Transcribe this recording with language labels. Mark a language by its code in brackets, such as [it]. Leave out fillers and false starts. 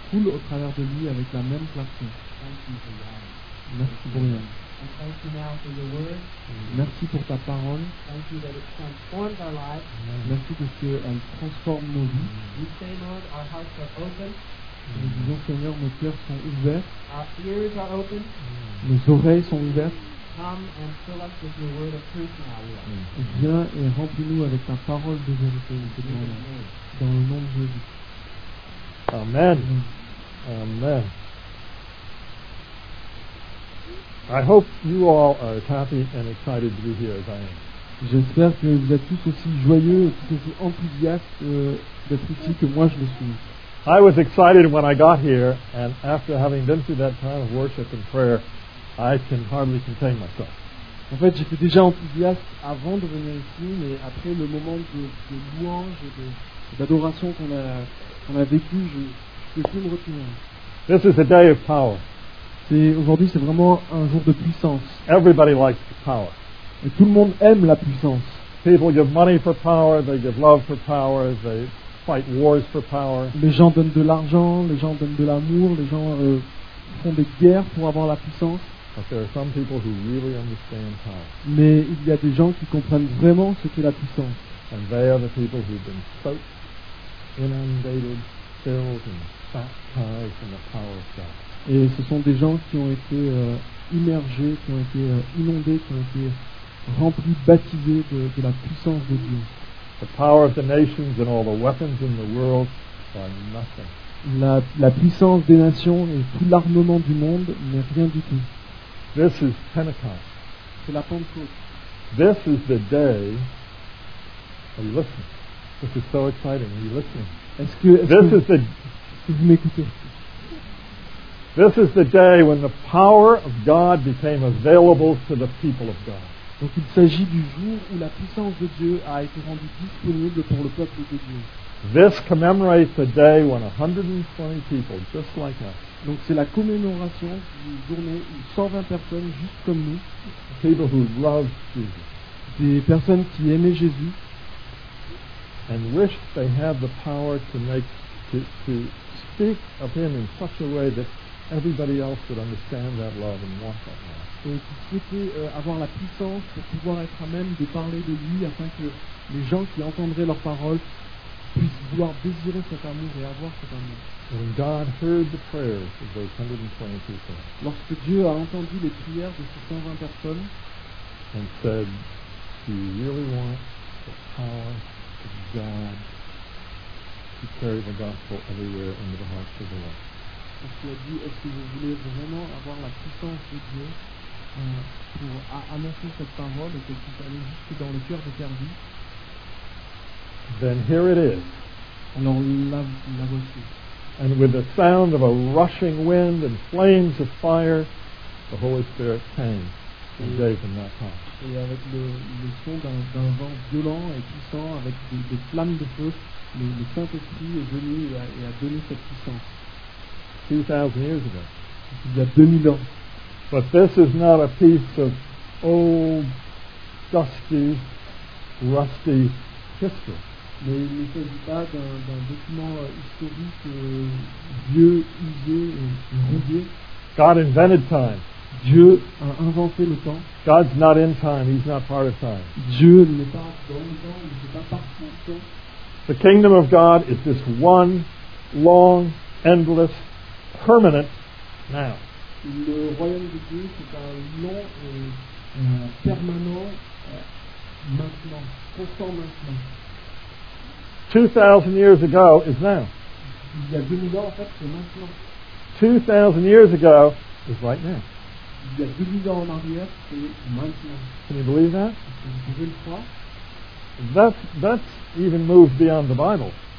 [fr] coule au travers de lui avec la même clarté. Merci pour Yann. [en] And thank you now for your word. [fr] Merci pour ta parole. [en] Thank you that it transforms our lives. [fr] Merci parce qu'elle transforme nos vies. [en] We say, Lord, our hearts are open. [fr] Nous disons, Seigneur, nos cœurs sont ouverts. [en] Our ears are open. [fr] Nos oreilles sont ouvertes. [en] Come and fill us with your word of truth now, Lord. [fr] Viens et remplis-nous avec ta parole de vérité, Seigneur, dans le nom de Jésus. [en] Amen. Amen. I hope you all are as happy and excited to be here as I am. [fr] J'espère que vous êtes tous aussi joyeux et tous aussi enthousiastes d'être ici que moi je le suis. [en] I was excited when I got here, and after having been through that time of worship and prayer, I can hardly contain myself. [fr] En fait, j'étais déjà enthousiaste avant de venir ici, mais après le moment de louange et d'adoration qu'on a vécu, je ne peux plus me retenir. [en] This is a day of power. [fr] Aujourd'hui, c'est vraiment un jour de puissance. [en] Everybody likes the power. [fr] Et tout le monde aime la puissance. [en] People give money for power, they give love for power, they fight wars for power. [fr] Les gens donnent de l'argent, les gens donnent de l'amour, les gens font des guerres pour avoir la puissance. [en] But there are some people who really understand power. [fr] Mais il y a des gens qui comprennent vraiment ce qu'est la puissance. [en] And they are the people who've been soaked, inundated, filled, and baptized in the power of God. [fr] Et ce sont des gens qui ont été immergés, qui ont été inondés, qui ont été remplis, baptisés de la puissance de Dieu. [en] The power of the nations and all the weapons in the world are nothing. [fr] La puissance des nations et tout l'armement du monde n'est rien du tout. [en] This is Pentecost. [fr] C'est la Pentecôte. [en] This is the day. Are you listening? This is so exciting. Are you listening? [fr] Vous m'écoutez? [en] This is the day when the power of God became available to the people of God. [fr] Donc il s'agit du jour où la puissance de Dieu a été rendue disponible pour le peuple de Dieu. [en] This commemorates the day when 120 people, just like us. [fr] Donc c'est la commémoration d'une journée où 120 personnes, juste comme nous, [en] people who loved Jesus, [fr] des personnes qui aimaient Jésus, [en] and wished they had the power to make to speak of Him in such a way that everybody else would understand that love and want that love. [fr] Et qui souhaitait avoir la puissance pour pouvoir être à même de parler de lui afin que les gens qui entendraient leurs paroles puissent vouloir désirer cet amour et avoir cet amour. [en] When God heard the prayers of those 120 people, [fr] lorsque Dieu a entendu les prières de ces 120 personnes, [en] and said, "Do you really want the power of God to carry the gospel everywhere into the hearts of the world?" [fr] Parce qu'il a dit, est-ce que vous voulez vraiment avoir la puissance de Dieu pour annoncer cette parole et que vous allez jusque dans le cœur des perdus? [en] Then here it is. [fr] Alors la voici. [en] And with the sound of a rushing wind and flames of fire, the Holy Spirit came and gave them that power. [fr] Et avec le son d'un vent violent et puissant, avec des flammes de feu, le Saint-Esprit est venu et a donné cette puissance. [en] 2,000 years ago. [fr] Il y a 2000 ans. [en] But this is not a piece of old, dusty, rusty history. [fr] mais il ne s'agit pas d'un document historique Dieu usé ou rouillé. [en] God invented time. [fr] Dieu a inventé le temps. [en] God's not in time. He's not part of time. [fr] Dieu n'est pas dans le temps. Il n'est pas partout dans le temps. [en] The kingdom of God is this one long, endless, permanent now. [fr] Le royaume de Dieu c'est un long et permanent maintenant, constant maintenant. [en] 2,000 years ago is now. [fr] Il y a 2000 ans en fait c'est maintenant. [en] 2,000 years ago is right now. [fr] Il y a 2000 ans en arrière c'est maintenant. [en] Can you believe that? [fr] Vous pouvez le croire? [en] That's even moved beyond the Bible.